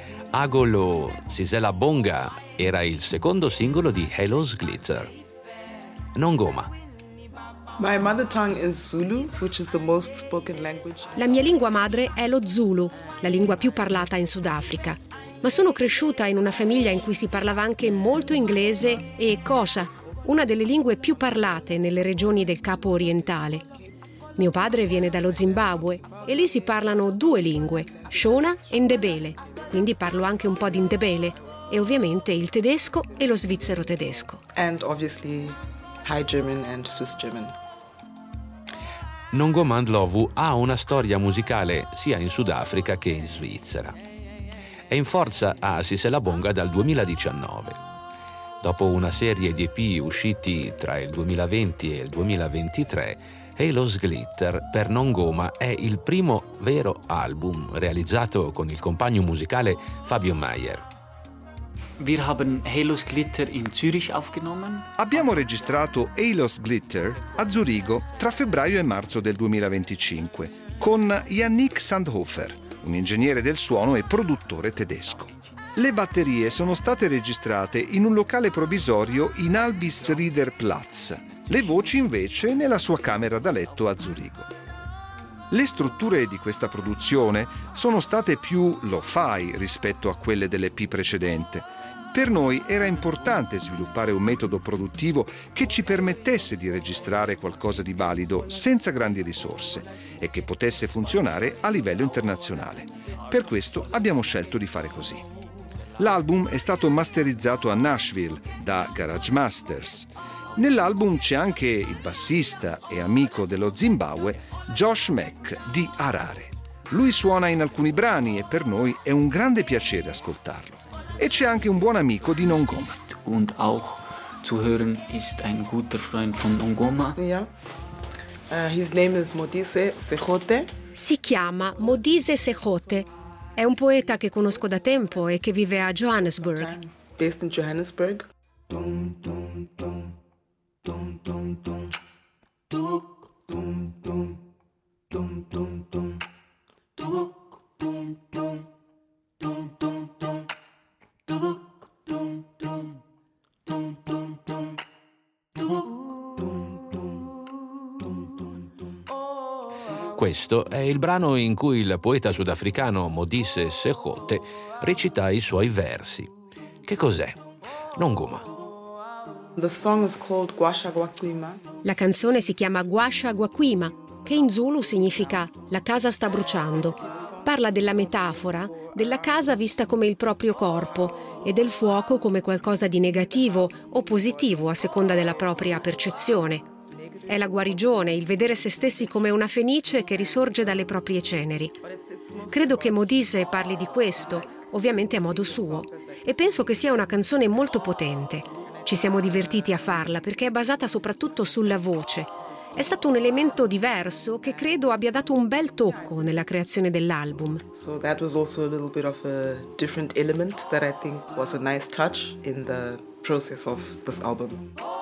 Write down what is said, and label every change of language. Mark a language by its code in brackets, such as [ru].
[it] Agolo Sisselabonga era il secondo singolo di Hello's Glitter. Nongoma. [en] My mother tongue is Zulu, which is the most spoken language. [it] La mia lingua madre è lo Zulu, la lingua più parlata in Sudafrica. Ma sono cresciuta in una famiglia in cui si parlava anche molto inglese e Xhosa, una delle lingue più parlate nelle regioni del Capo Orientale. Mio padre viene dallo Zimbabwe e lì si parlano due lingue, Shona e Ndebele. Quindi parlo anche un po' di Ndebele e ovviamente il tedesco e lo svizzero tedesco. [en] And obviously High German and Swiss German. [it] Nongoma Ndlovu ha una storia musicale sia in Sudafrica che in Svizzera. È in forza a Sisselabonga dal 2019. Dopo una serie di EP usciti tra il 2020 e il 2023, Halo's Glitter per Nongoma è il primo vero album realizzato con il compagno musicale Fabio Maier. [de] Wir haben Halo's Glitter in Zürich aufgenommen. [it] Abbiamo registrato Halo's Glitter a Zurigo tra febbraio e marzo del 2025 con Yannick Sandhofer, un ingegnere del suono e produttore tedesco. Le batterie sono state registrate in un locale provvisorio in Albisrieder Platz, le voci invece nella sua camera da letto a Zurigo. Le strutture di questa produzione sono state più lo-fi rispetto a quelle dell'EP precedente. Per noi era importante sviluppare un metodo produttivo che ci permettesse di registrare qualcosa di valido senza grandi risorse e che potesse funzionare a livello internazionale. Per questo abbiamo scelto di fare così. L'album è stato masterizzato a Nashville da Garage Masters. Nell'album c'è anche il bassista e amico dello Zimbabwe, Josh Mack di Harare. Lui suona in alcuni brani e per noi è un grande piacere ascoltarlo. e c'è anche un buon amico di Nongoma. [de] Und auch zu hören ist ein guter Freund von Nongoma. [en] Yeah. His name is Modise Sekgote. [it] Si chiama Modise Sekgote. È un poeta che conosco da tempo e che vive a Johannesburg. [en] Based in Johannesburg. [it] Questo è il brano in cui il poeta sudafricano Modise Sekgote recita i suoi versi. Che cos'è? Nongoma. [en] The song is called Gwasha Gwakwima. [it] La canzone si chiama Gwasha Gwakwima, che in Zulu significa la casa sta bruciando. Parla della metafora della casa vista come il proprio corpo e del fuoco come qualcosa di negativo o positivo a seconda della propria percezione. È la guarigione, il vedere se stessi come una fenice che risorge dalle proprie ceneri. Credo che Modise parli di questo, ovviamente a modo suo, e penso che sia una canzone molto potente. Ci siamo divertiti a farla perché è basata soprattutto sulla voce. È stato un elemento diverso che credo abbia dato un bel tocco nella creazione dell'album. [en] So that was also a little bit of a different element that I think was a nice touch in the process of this album.